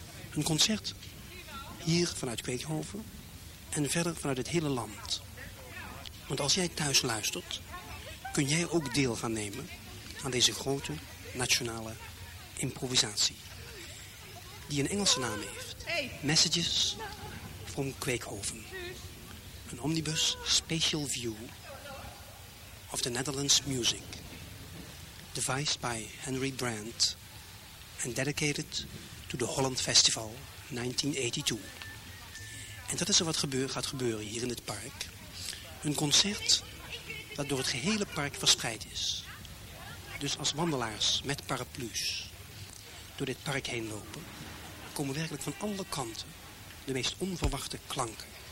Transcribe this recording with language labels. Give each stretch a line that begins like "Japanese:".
Dutch: Een concert hier vanuit Kweekhoven en verder vanuit het hele land. Want als jij thuis luistert, kun jij ook deel gaan nemen aan deze grote nationale improvisatie. Die een Engelse naam heeft.
English: Messages from Kweekhoven. Een omnibus special view of the Netherlands music. Devised by Henry Brandt and dedicated to the Holland Festival 1982.
Dutch: En dat is er wat gaat gebeuren hier in het park. Een concert dat door het gehele park verspreid is. Dus als wandelaars met paraplu's door dit park heen lopen, komen werkelijk van alle kanten de meest onverwachte klanken.